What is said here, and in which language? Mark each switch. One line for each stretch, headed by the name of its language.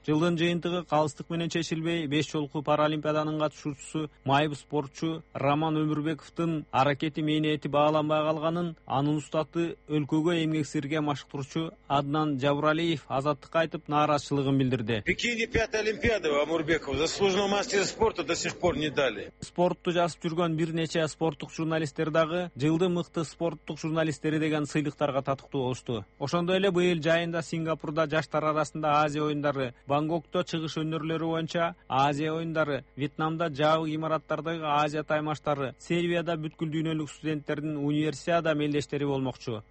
Kyrgyz: Жылдын жыйынтыгы калыстык менен чечилбей, 5 жолку паралимпиаданын катышуучусу майып спортчу Роман Өмүрбековдун аракети мээнети бааланбай калганын, анын устаты өлкөгө эмгек сиңирген машыктуруучу Аднан Жабралиев азаттыкка айтып нааразычылыгын билдирди. Пекинде 5 олимпиада
Russian: Өмүрбеков, заслуженный мастер спорта до сих пор не дали.
Kyrgyz: Спортту жазып жүргөн бир нече спорттук журналисттер дагы жылдын мыкты спорттук журналисттери деген сыйлыктарга татыктуу болушту. Ошондой эле быйыл жайында Сингапурда жаштар арасында Азия оюндары, Бангкокто чыгыш өнөрлөрү боюнча Азия оюндары, Вьетнамда жабык имараттардагы Азия таймаштары, Сербияда бүткүл дүйнөлүк студенттердин универсиада мелдештери болмокчу.